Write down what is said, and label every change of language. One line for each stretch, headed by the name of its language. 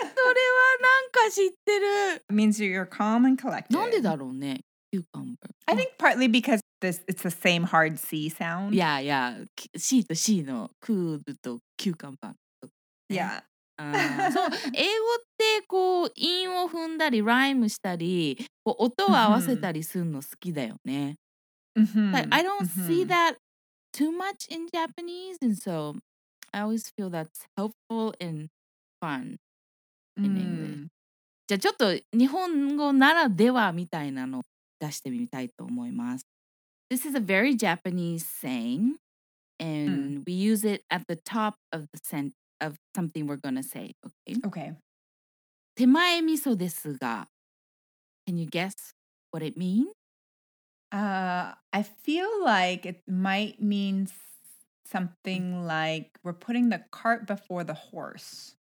Japanese: それはなんか知ってる。
English: It means you're calm and collected.
Japanese: なんでだろうね。Cucumber.
English: I think partly because this, it's the same hard C sound. Yeah, yeah.
Japanese: C と C のクールとキューカンバー。
English: Yeah.
Japanese: そう、英語ってこう韻を踏んだりライムしたりこう音を合わせたりするの好きだよね。 Mm-hmm.
English: I don't see that too much in Japanese, and so I always feel that's helpful and fun in English.
Japanese: じゃあちょっと日本語ならではみたいなの。出してみたいと思います。
English: This is a very Japanese saying, and we use it at the top of the sentence of something we're gonna say. Okay. Okay.
Japanese: 手前味噌ですが、
English: can you guess what it means? I feel like it might mean something like we're putting the cart before the horse.